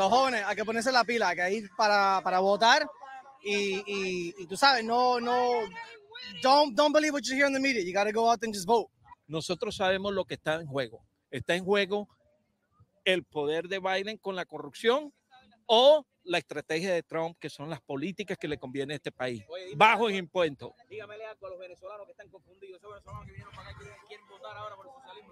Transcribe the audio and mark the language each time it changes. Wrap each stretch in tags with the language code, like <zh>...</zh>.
<es>los jóvenes hay que ponerse la pila, hay que ir para votar. Y tú sabes, no,</es> <en>don't believe what you hear in the media. You gotta go out and just vote.</en> <es>Nosotros sabemos lo que está en juego. Está en juego el poder de Biden con la corrupción o la estrategia de Trump, que son las políticas que le conviene a este país. Bajos impuestos. Dígamele algo a los venezolanos que están confundidos. Esos venezolanos que vinieron para acá quieren votar ahora por el socialismo.</es>